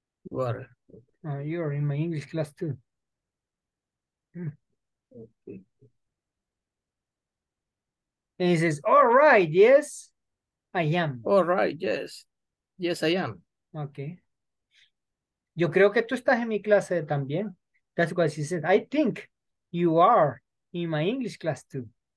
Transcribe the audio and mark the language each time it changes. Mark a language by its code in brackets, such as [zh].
[en] You're in my English class too. And he says, all right, yes, I am. All right, yes. Yes, I am. Okay. [es] Yo creo que tú estás en mi clase también. [en] That's what she said. I think you are in my English class too.